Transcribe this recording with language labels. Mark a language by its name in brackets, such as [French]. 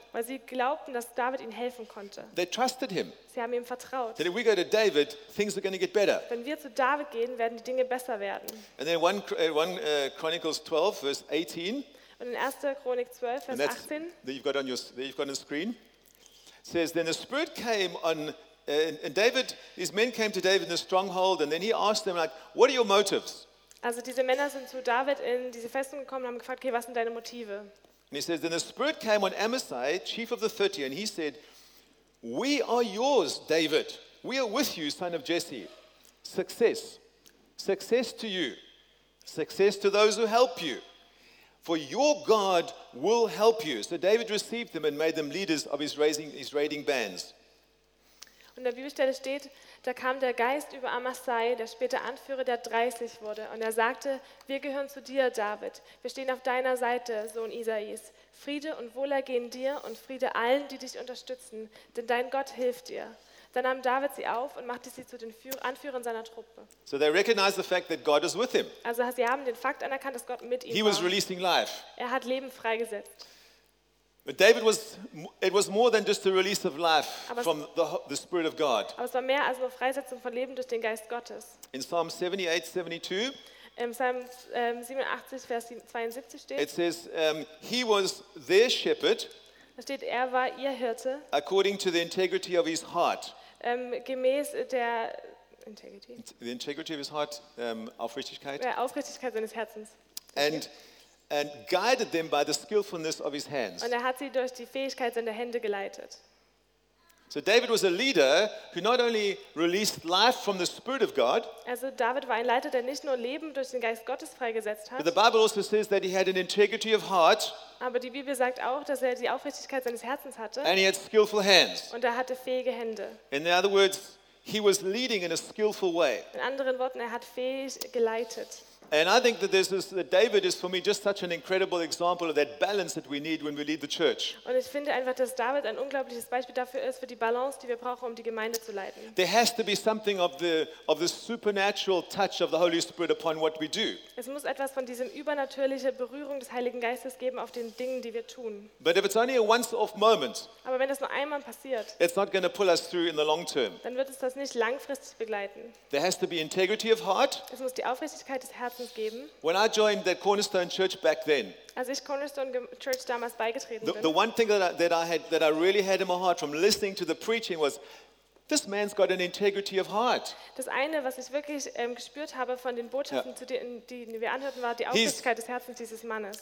[German] Weil sie glaubten, dass David ihnen helfen konnte. [English] They trusted him. [German] Sie haben ihm vertraut. [English] That if we go to David, things are going to get better. [German] Wenn wir zu David gehen, werden die Dinge besser werden. [English] And then 1 Chronicles 12, verse 18. [German] Und in 1. Chronik 12, Vers 18. [English] That you've got on the screen. It says, then the Spirit came on, and David, these men came to David in the stronghold, and then he asked them, like, what are your motives? [German] Also diese Männer sind zu David in diese Festung gekommen und haben gefragt, okay, was sind deine Motive? [English] And he says, then the Spirit came on Amasai, chief of the 30, and he said, we are yours, David. We are with you, son of Jesse. Success. Success to you. Success to those who help you. For your God will help you. So David received them and made them leaders of his raiding bands. [German] Und an der Bibelstelle steht, da kam der Geist über Amasai, der später Anführer der 30 wurde, und er sagte, wir gehören zu dir, David. Wir stehen auf deiner Seite, Sohn Isais. Friede und Wohlergehen dir und Friede allen, die dich unterstützen, denn dein Gott hilft dir. Dann nahm David sie auf und machte sie zu den Anführern seiner Truppe. [English] So they recognized the fact that God is with him. [German] Also sie haben den Fakt anerkannt, dass Gott mit ihm war. [English] He was releasing life. [German] Er hat Leben freigesetzt. [English] But David was, it was more than just a release of life from the Spirit of God. [German] Aber es war mehr als nur Freisetzung von Leben durch den Geist Gottes. [English] In Psalm 78, 72, [German] in Psalm 87, Vers 72 steht, [English] it says, he was their shepherd, [German] da steht, er war ihr Hirte, [English] according to the integrity of his heart. [German] Gemäß der [English] integrity of his heart, Aufrichtigkeit. [German] Der Aufrichtigkeit seines Herzens. [English] And guided them by the skillfulness of his hands. [German] Und er hat sie durch die Fähigkeit seiner Hände geleitet. [English] So David was a leader who not only released life from the Spirit of God. [German] Also David war ein Leiter, der nicht nur Leben durch den Geist Gottes freigesetzt hat. [English] But the Bible also says that he had an integrity of heart. [German] Aber die Bibel sagt auch, dass er die Aufrichtigkeit seines Herzens hatte. [English] And he had skillful hands. [German] Und er hatte fähige Hände. [English] In other words, he was leading in a skillful way. [German] In anderen Worten, er hat fähig geleitet. [English] And I think that this is that David is for me just such an incredible example of that balance that we need when we lead the church. [German] Und ich finde einfach, dass David ein unglaubliches Beispiel dafür ist für die Balance, die wir brauchen, um die Gemeinde zu leiten. [English] There has to be something of the supernatural touch of the Holy Spirit upon what we do. [German] Es muss etwas von diesem übernatürliche Berührung des Heiligen Geistes geben auf den Dingen, die wir tun. [English] But if it's only a once-off moment, [German] aber wenn das nur einmal passiert, [English] it's not going to pull us through in the long term. [German] Dann wird es das nicht langfristig begleiten. [English] There has to be integrity of heart. [German] Es muss die Aufrichtigkeit des Herzens. [English] When I joined the Cornerstone Church back then, [German] als ich Cornerstone Church damals beigetreten bin, [English] the one thing that I really had in my heart from listening to the preaching was, this man's got an integrity of heart. [German] Das eine, was ich wirklich gespürt habe von den Botschaften, die wir anhörten, war die Aufrichtigkeit des Herzens dieses Mannes.